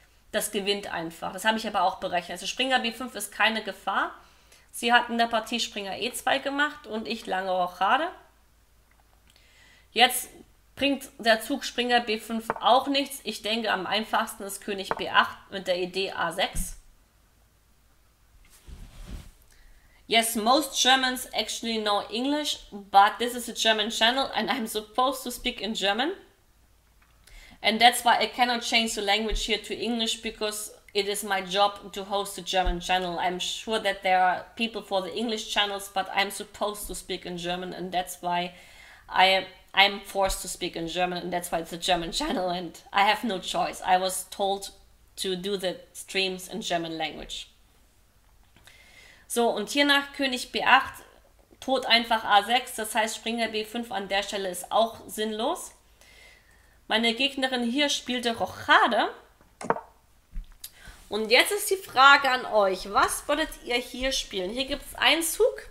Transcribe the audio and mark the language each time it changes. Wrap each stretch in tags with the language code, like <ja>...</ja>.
<de>Das gewinnt einfach. Das habe ich aber auch berechnet. Also Springer B5 ist keine Gefahr. Sie hat in der Partie Springer E2 gemacht und ich lange Rochade. Jetzt bringt der Zug Springer B5 auch nichts. Ich denke, am einfachsten ist König B8 mit der Idee A6.</de> <en>Yes, most Germans actually know English, but this is a German channel and I'm supposed to speak in German. And that's why I cannot change the language here to English because It is my job to host the German channel. I'm sure that there are people for the English channels, but I'm supposed to speak in German, and that's why I'm forced to speak in German, and that's why it's a German channel, and I have no choice. I was told to do the streams in German language.</en> <de>So, und hier nach König B8 tot einfach A6, das heißt Springer B5 an der Stelle ist auch sinnlos. Meine Gegnerin hier spielte Rochade. Und jetzt ist die Frage an euch, was wolltet ihr hier spielen? Hier gibt es einen Zug.</de>